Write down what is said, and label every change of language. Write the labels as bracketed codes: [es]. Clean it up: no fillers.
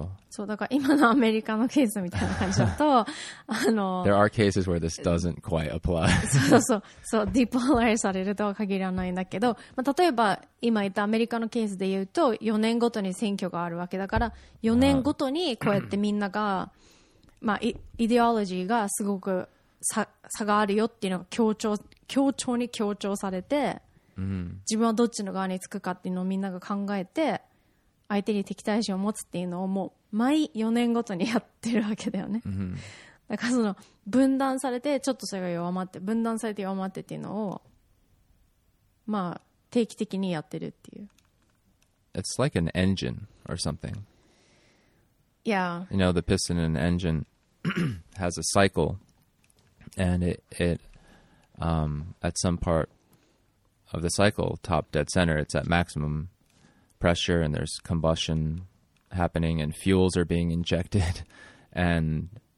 [ja] そうだから今のアメリカのケースみたいな感じだとあの [en] There are cases where this doesn't quite apply [ja] そうディポラリされるとは限らないんだけど、まあ、例えば今言ったアメリカのケースで言うと4年ごとに選挙があるわけだから4年ごとにこうやってみんながまあイデオロジーがすごく差があるよっていうのが強調されて、うん、自分はどっちの側につくかっていうのをみんなが考えて相手に敵対心を持つっていうのをもう毎4年ごとにやってるわけだよね、うん、だからその分断されてちょっとそれが弱まって分断されて弱まってっていうのをまあ定期的にやってるっていう [en] It's like an engine or something Yeah You know the piston in an engine has a cycle and it at some part of the cycle top dead center it's at maximumpressure and there's combustion happening and fuels are being injected and